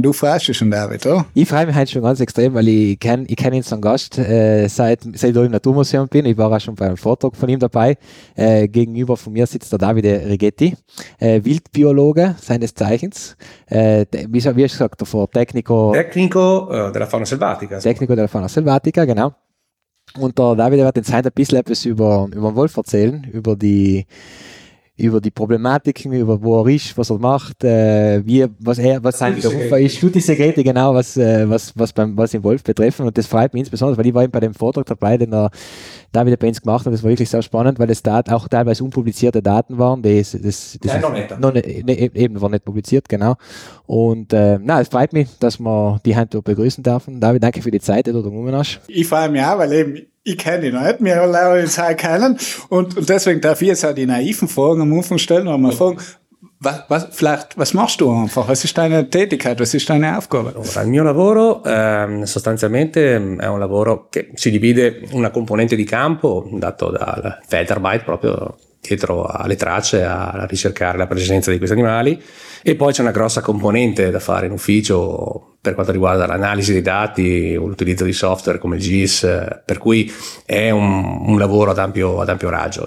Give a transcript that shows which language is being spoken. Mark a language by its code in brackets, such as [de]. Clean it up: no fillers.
[de] Du freust dich schon, David, oder? Ich freue mich heute schon ganz extrem, weil ich kenne ihn so einen Gast, seit ich im Naturmuseum bin. Ich war auch schon bei einem Vortrag von ihm dabei. Gegenüber von mir sitzt der Davide Righetti, Wildbiologe seines Zeichens. Wie hast du gesagt davor? [it] Tecnico della Fauna Selvatica. Tecnico della Fauna Selvatica, genau. [de] Und der Davide wird jetzt heute ein bisschen etwas über den Wolf erzählen, über die Problematiken, über wo er ist, was er macht, was sein Beruf ist, du die Segrete genau, was den Wolf betreffen. Und das freut mich insbesondere, weil ich war eben bei dem Vortrag dabei, den er da wieder bei uns gemacht hat. Das war wirklich sehr spannend, weil es da auch teilweise unpublizierte Daten waren. Noch nicht publiziert. Und es freut mich, dass wir die Hand begrüßen dürfen. David, danke für die Zeit, die du da genommen hast. Ich freue mich auch, weil eben ich kenne ihn nicht, wir lernen ihn jetzt kennen. Und deswegen darf ich jetzt auch die naiven Fragen am Anfang stellen, wenn wir fragen, was machst du einfach? Was ist deine Tätigkeit? Was ist deine Aufgabe? [it] Allora, il mio lavoro sostanzialmente è un lavoro che si divide una componente di campo dato dal Feldarbeit, proprio dietro alle tracce, a ricercare la presenza di questi animali. E poi c'è una grossa componente da fare in ufficio per quanto riguarda l'analisi dei dati o l'utilizzo di software come il GIS, per cui è un lavoro ad ampio raggio.